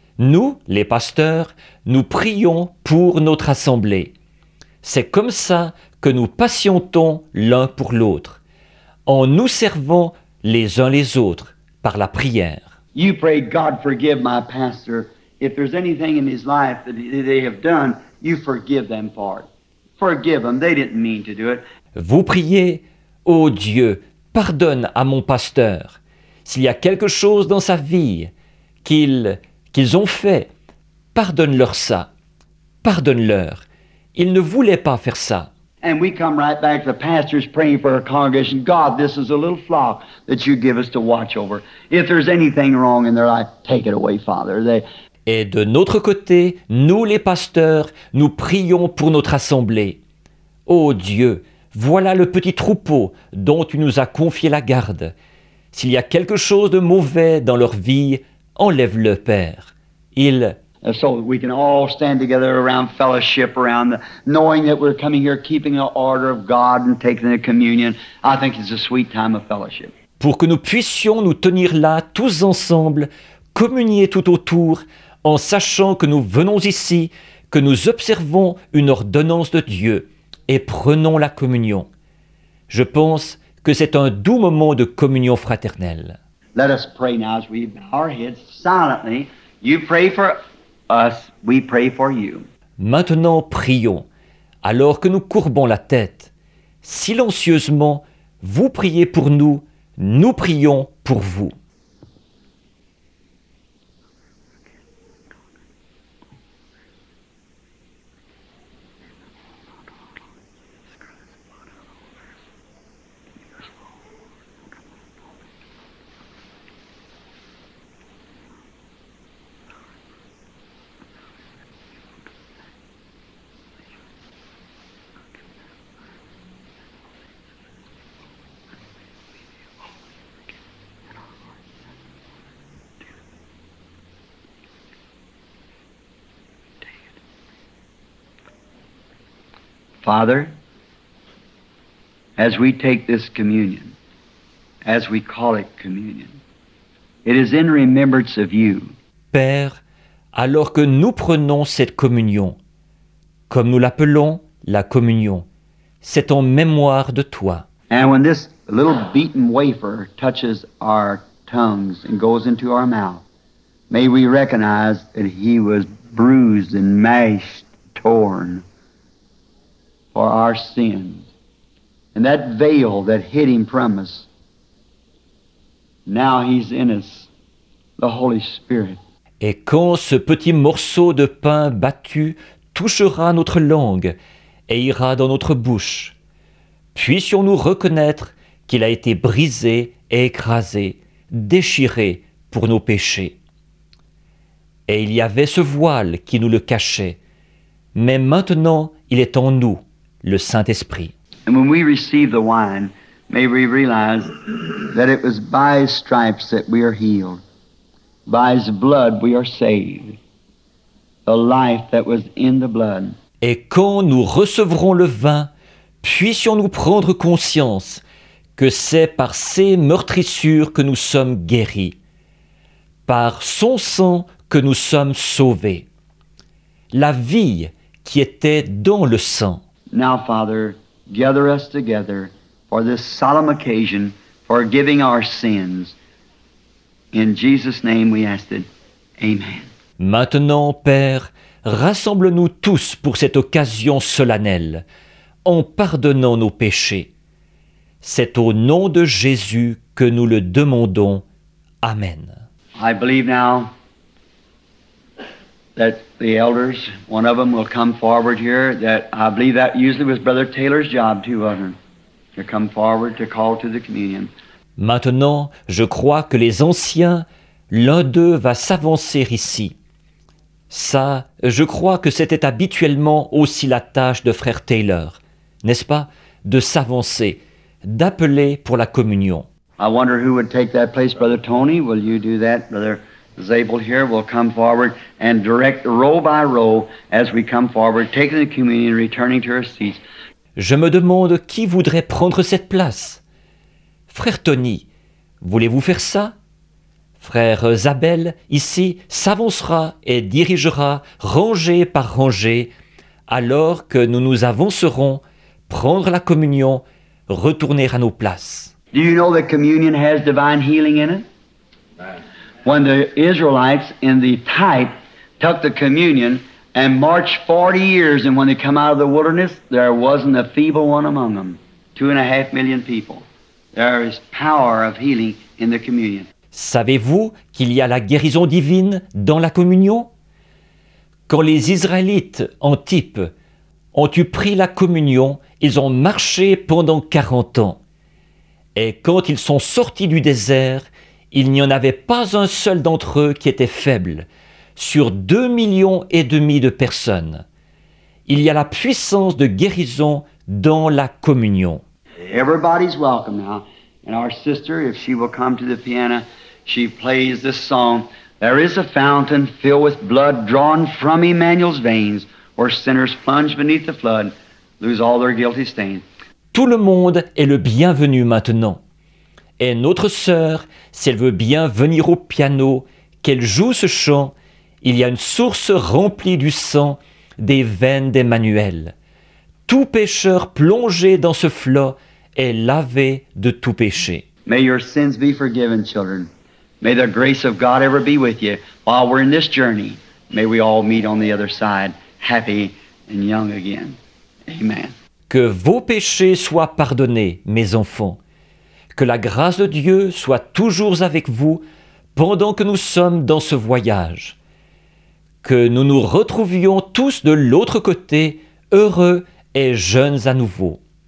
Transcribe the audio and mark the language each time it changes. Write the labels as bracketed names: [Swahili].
[French] Nous, les pasteurs, nous prions pour notre Assemblée. C'est comme ça que nous patientons l'un pour l'autre, en nous servant les uns les autres par la prière. [English] You pray, God forgive my pastor. If there's anything in his life that they have done, you forgive them for it. Forgive them, they didn't mean to do it. [French] Vous priez, ô Dieu, pardonne à mon pasteur. S'il y a quelque chose dans sa vie qu'ils ont fait, pardonne-leur ça. Pardonne-leur. Ils ne voulaient pas faire ça. [English] And we come right back to the pastors praying for our congregation. God, this is a little flock that you give us to watch over. If there's anything wrong in their life, take it away, Father. [French] Et de notre côté, nous les pasteurs, nous prions pour notre assemblée. Ô Dieu, voilà le petit troupeau dont tu nous as confié la garde. S'il y a quelque chose de mauvais dans leur vie, enlève-le, Père. Il... [English] So we can all stand together around fellowship, around knowing that we're coming here, keeping the order of God and taking the communion. I think it's a sweet time of fellowship. [French] Pour que nous puissions nous tenir là, tous ensemble, communier tout autour, en sachant que nous venons ici, que nous observons une ordonnance de Dieu. Et prenons la communion. Je pense que c'est un doux moment de communion fraternelle. [English] Let us pray now as we bow our heads silently. You pray for us, we pray for you. [French] Maintenant, prions. Alors que nous courbons la tête, silencieusement, vous priez pour nous, nous prions pour vous. [English] Father, as we take this communion, as we call it communion, it is in remembrance of you. [French] Père, alors que nous prenons cette communion, comme nous l'appelons la communion, c'est en mémoire de toi. [English] And when this little beaten wafer touches our tongues and goes into our mouth, may we recognize that he was bruised and mashed, torn for our sins. And that veil that hid him from us, now he's in us, the Holy Spirit. [French] Et quand ce petit morceau de pain battu touchera notre langue et ira dans notre bouche, puissions-nous reconnaître qu'il a été brisé et écrasé, déchiré pour nos péchés. Et il y avait ce voile qui nous le cachait, mais maintenant il est en nous, le Saint-Esprit. [English] And when we receive the wine, may we realize that it was by his stripes that we are healed, by his blood we are saved, the life that was in the blood. [French] Et quand nous recevrons le vin, puissions-nous prendre conscience que c'est par ses meurtrissures que nous sommes guéris, par son sang que nous sommes sauvés, la vie qui était dans le sang. [English] Now, Father, gather us together for this solemn occasion, forgiving our sins. In Jesus' name we ask it. Amen. [French] Maintenant, Père, rassemble-nous tous pour cette occasion solennelle, en pardonnant nos péchés. C'est au nom de Jésus que nous le demandons. Amen. [English] I believe now that the elders, one of them will come forward here, that I believe that usually was Brother Taylor's job too, wasn't it? To come forward to call to the communion. [French] Maintenant, je crois que les anciens, l'un d'eux va s'avancer ici. Ça, je crois que c'était habituellement aussi la tâche de Frère Taylor, n'est-ce pas, de s'avancer, d'appeler pour la communion. [English] I wonder who would take that place, Brother Tony. Will you do that, Brother Zabel? Here, will come forward and direct row by row as we come forward, taking the communion, returning to our seats. [French] Je me demande qui voudrait prendre cette place. Frère Tony, voulez-vous faire ça? Frère Zabel, ici, s'avancera et dirigera rangée par rangée, alors que nous nous avancerons, prendre la communion, retourner à nos places. [English] Do you know that communion has divine healing in it? When the Israelites in the type took the communion and marched 40 years, and when they come out of the wilderness, there wasn't a feeble one among them. 2.5 million people. There is power of healing in the communion. [French] Savez-vous qu'il y a la guérison divine dans la communion? Quand les Israélites en type ont eu pris la communion, ils ont marché pendant 40 ans. Et quand ils sont sortis du désert, il n'y en avait pas un seul d'entre eux qui était faible, sur 2,5 millions de personnes. Il y a la puissance de guérison dans la communion. [English] Everybody's welcome now. And our sister, if she will come to the piano, she plays this song. There is a fountain filled with blood drawn from Emmanuel's veins, where sinners plunge beneath the flood, lose all their guilty stains. [French] Tout le monde est le bienvenu maintenant. Et notre sœur, si elle veut bien venir au piano, qu'elle joue ce chant, il y a une source remplie du sang des veines d'Emmanuel. Tout pécheur plongé dans ce flot est lavé de tout péché. [English] May your sins be forgiven, children. May the grace of God ever be with you. While we're in this journey, may we all meet on the other side, happy and young again. Amen. [French] Que vos péchés soient pardonnés, mes enfants. Que la grâce de Dieu soit toujours avec vous pendant que nous sommes dans ce voyage. Que nous nous retrouvions tous de l'autre côté, heureux et jeunes à nouveau.